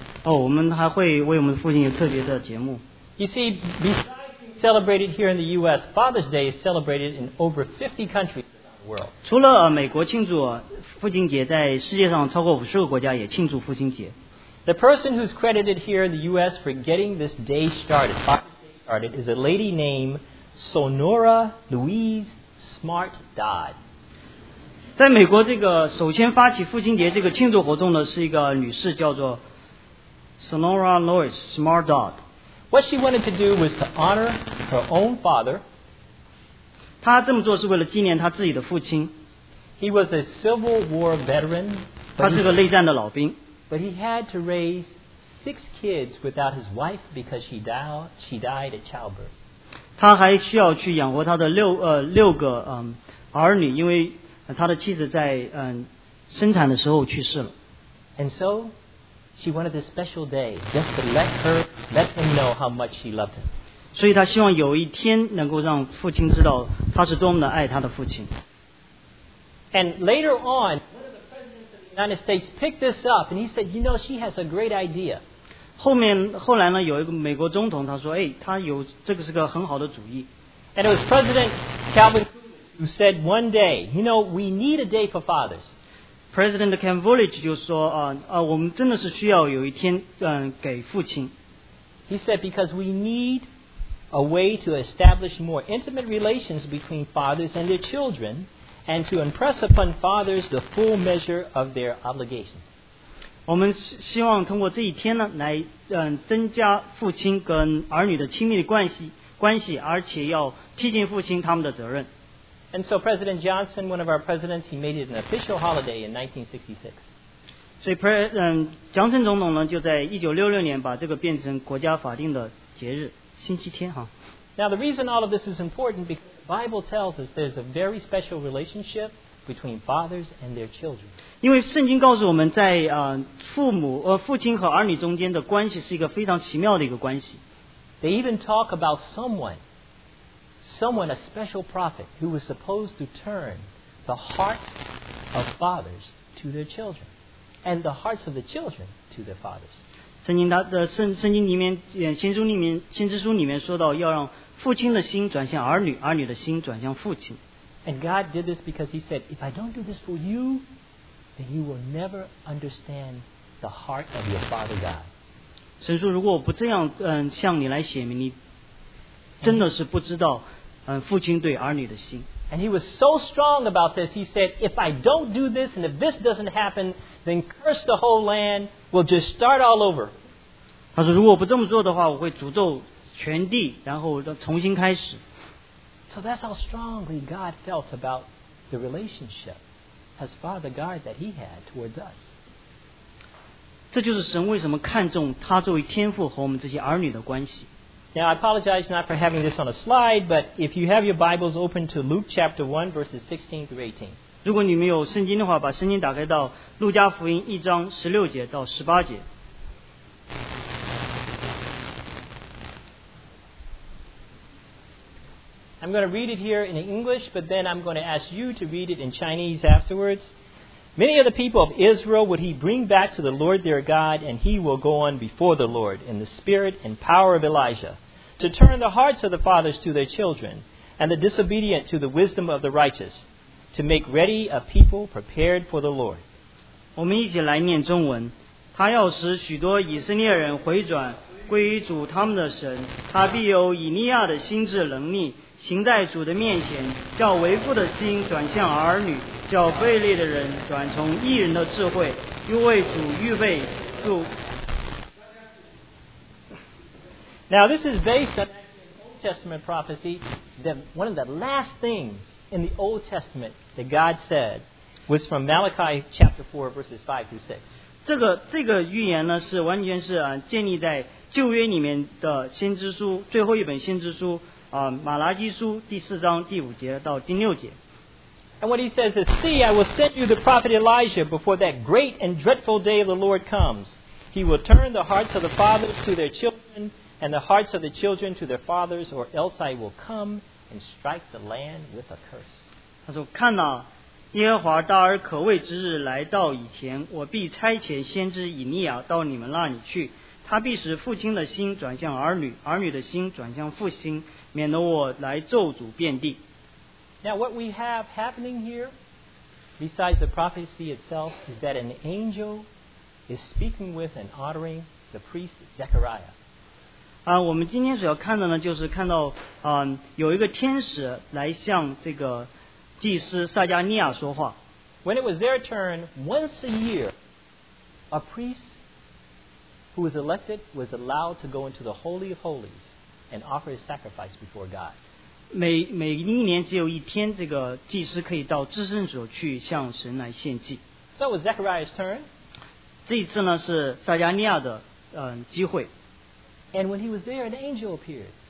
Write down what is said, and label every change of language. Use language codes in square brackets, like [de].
[zh] 哦，我们还会为我们父亲有特别的节目。 [en] You see, besides being celebrated here in the U.S., Father's Day is celebrated in over 50 countries around the world. [zh] 除了美国庆祝父亲节，在世界上超过50个国家也庆祝父亲节。 [en] The person who's credited here in the U.S. for getting this day started, is a lady named Sonora Louise Smart Dodd. [zh] 在美国这个首先发起父亲节这个庆祝活动的是一个女士，叫做 Sonora Louise Smart Dodd. [en] What she wanted to do was to honor her own father. [zh] 她这么做是为了纪念她自己的父亲。 [en] He was a Civil War veteran. [zh] 她是个内战的老兵。 [en] But he had to raise 6 kids without his wife because she died at childbirth. [zh] 他还需要去养活他的六个儿女，因为他的妻子在生产的时候去世了。 [en] And so, she wanted this special day just to let him know how much she loved him. [zh] 所以他希望有一天能够让父亲知道他是多么的爱他的父亲。 [en] And later on,United States picked this up and he said, you know, she has a great idea. [zh] 后来呢有一个美国总统他说，哎，他有这个是个很好的主意。 [en] And it was President Calvin Coolidge who said one day, you know, we need a day for fathers. [zh] President Calvin Coolidge 就说我们真的是需要有一天给父亲。 [en] He said, because we need a way to establish more intimate relations between fathers and their children. And to impress upon fathers the full measure of their obligations. [zh] 我们希望通过这一天呢，来增加父亲跟儿女的亲密的关系，而且要提醒父亲他们的责任。 [en] And so President Johnson, one of our presidents, he made it an official holiday in 1966. [zh] 所以蒋中正总统呢，就在1966年把这个变成国家法定的节日，星期天哈。 [en] Now the reason all of this is important because the Bible tells us there's a very special relationship between fathers and their children. [zh] 因为圣经告诉我们在父亲和儿女中间的关系是一个非常奇妙的一个关系。 [en] They even talk about someone, a special prophet who was supposed to turn the hearts of fathers to their children and the hearts of the children to their fathers. [zh] 先知书里面说到要让父亲的心转向儿女，儿女的心转向父亲。 [en] And God did this because he said, if I don't do this for you, then you will never understand the heart of your father God. [zh] 神说如果我不这样向你来显明，你真的是不知道父亲对儿女的心。 [en] And he was so strong about this, he said, if I don't do this and if this doesn't happen, then curse the whole land, we'll just start all over. [zh] 他说如果不这么做的话我会诅咒全地然后重新开始。 [en] So that's how strongly God felt about the relationship as Father God that he had towards us. [zh] 这就是神为什么看重他作为天父和我们这些儿女的关系。 [en] Now, I apologize not for having this on a slide, but if you have your Bibles open to Luke chapter 1, verses 16 through 18. [zh] 如果你没有圣经的话，把圣经打开到路加福音一章十六节到十八节。 [en] I'm going to read it here in English, but then I'm going to ask you to read it in Chinese afterwards. Many of the people of Israel would he bring back to the Lord their God, and he will go on before the Lord in the spirit and power of Elijah to turn the hearts of the fathers to their children and the disobedient to the wisdom of the righteous to make ready a people prepared for the Lord. [zh] 我们一起来念中文。他要使许多以色列人回转归于主他们的神，他必有以利亚的心智能力行在主的面前，叫为父的心转向儿女，叫悖逆的人转从义人的智慧，又为主预备路。 [en] Now this is based on Old Testament prophecy that one of the last things in the Old Testament that God said was from Malachi chapter 4 verses 5 through 6. [zh] 这个预言呢是完全是建立在旧约里面的先知书最后一本先知书马拉基书第四章第五节到第六节。 [en] And what he says is, See, I will send you the prophet Elijah before that great and dreadful day of the Lord comes. He will turn the hearts of the fathers to their children and the hearts of the children to their fathers, or else I will come and strike the land with a curse. [zh] 他说看啊耶和华大而可畏之日来到以前我必差遣先知以利亚到你们那里去他必使父亲的心转向儿女儿女的心转向父亲免得我来咒诅遍地 [en] Now what we have happening here besides the prophecy itself is that an angel is speaking with and honoring the priest Zechariah [zh] 我们今天所要看的呢就是看到有一个天使来向这个祭司撒迦利亚说话 [en] When it was their turn once a year a priest who was elected was allowed to go into the Holy of Holies and offer his sacrifice before God [zh] 每一年只有一天这个祭司可以到至圣所去向神来献祭 [en] So it was Zechariah's turn [zh] 这一次呢是撒迦利亚的机会 [en] And when he was there an angel appeared